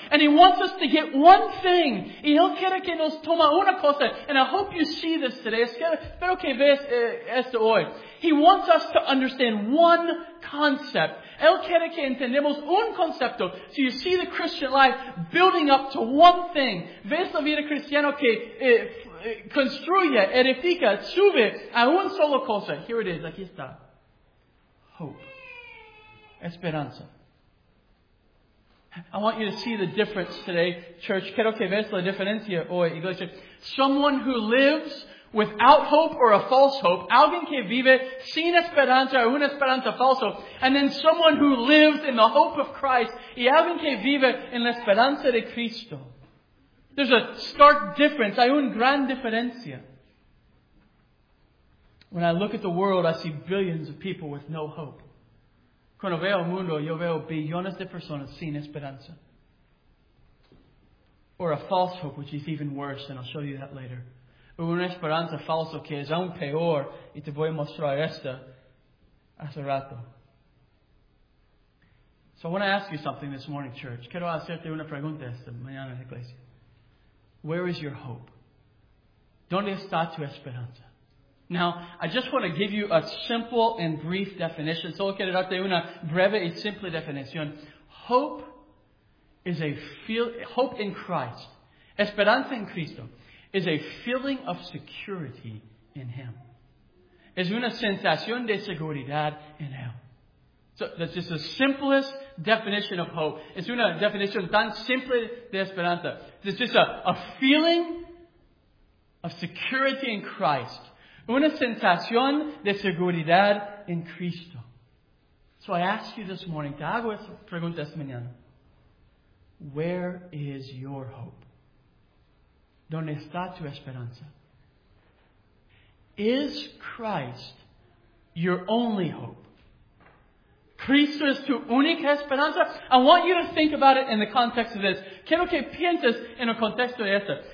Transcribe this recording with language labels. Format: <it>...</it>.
<en>And He wants us to get one thing.</en> <es>Y Él quiere que nos toma una cosa.</es> <en>And I hope you see this today.</en> <es>Espero que veas esto hoy.</es> <en>He wants us to understand one concept.</en> <es>Él quiere que entendamos un concepto.</es> <en>So you see the Christian life building up to one thing.</en> <es>Ves la vida cristiana que construye, edifica, sube a una sola cosa.</es> <en>Here it is.</en> <es>Aquí está. Hope. Esperanza.</es> <en>I want you to see the difference today, church.</en> <es>Quiero que veas la diferencia hoy, iglesia.</es> <en>Someone who lives without hope or a false hope.</en> <es>Alguien que vive sin esperanza o una esperanza falsa.</es> <en>And then someone who lives in the hope of Christ.</en> <es>Y alguien que vive en la esperanza de Cristo.</es> <en>There's a stark difference.</en> <es>Hay una gran diferencia.</es> <en>When I look at the world, I see billions of people with no hope.</en> <es>Cuando veo el mundo, yo veo billones de personas sin esperanza.</es> <en>Or a false hope, which is even worse, and I'll show you that later.</en> <es>O una esperanza falsa que es aún peor, y te voy a mostrar esta hace rato.</es> <en>So I want to ask you something this morning, church.</en> <es>Quiero hacerte una pregunta esta mañana en la iglesia.</es> <en>Where is your hope?</en> <es>¿Dónde está tu esperanza?</es> <en>Now, I just want to give you a simple and brief definition.</en> <es>Solo quiero darte una breve y simple definición.</es> <en>Hope is a hope in Christ.</en> <es>Esperanza en Cristo</es> <en>is a feeling of security in Him.</en> <es>Es una sensación de seguridad en Él.</es> <en>So that's just the simplest definition of hope.</en> <es>Es una definición tan simple de esperanza.</es> <en>It's just a feeling of security in Christ.</en> <es>Una sensación de seguridad en Cristo.</es> <en>So I ask you this morning,</en> <es>te hago esa pregunta esta mañana.</es> <en>Where is your hope?</en> <es>¿Dónde está tu esperanza?</es> <en>Is Christ your only hope?</en> <es>¿Cristo es tu única esperanza?</es> <en>I want you to think about it in the context of this.</en> <es>Quiero que pienses en el contexto de esto.</es>